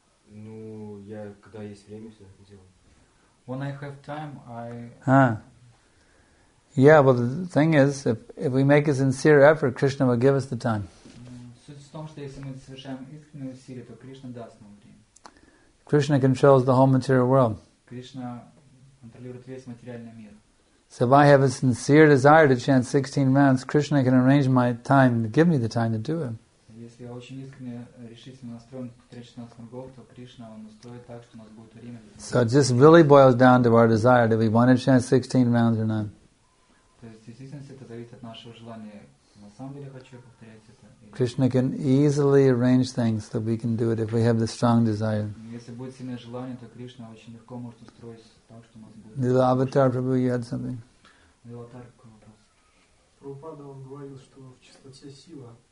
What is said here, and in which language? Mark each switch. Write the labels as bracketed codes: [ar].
[ru] Ну, я когда есть время, все это делаю. [en] When I have time, I. Yeah, well, the thing is, if we make a sincere effort, Krishna will give us the time. [ru] Суть в том, что если мы совершаем искренние усилия, то Кришна даст нам время. [en] Krishna controls the whole material world. [ru] Кришна контролирует весь материальный мир. [en] So if I have a sincere desire to chant 16 rounds, Krishna can arrange my time, give me the time to do it. [ru] Если я очень искренне решительно настроен к 16 годам, то Кришна он устроит так, что у нас будет время. [en] So it just really boils down to our desire. Do we want to chant 16 rounds or not? [ru] То есть, действительно, это зависит от нашего желания. На самом деле, хочу я повторять это. [en] Krishna can easily arrange things that we can do it if we have the strong desire. [ru] Если будет сильное желание, то Кришна очень легко может устроить так, что у нас будет. [en] Nila Avatar, Prabhu, you had something? [ru] Nila Avatar, какой вопрос? Прабхупада, он говорил, что в чистоте сила.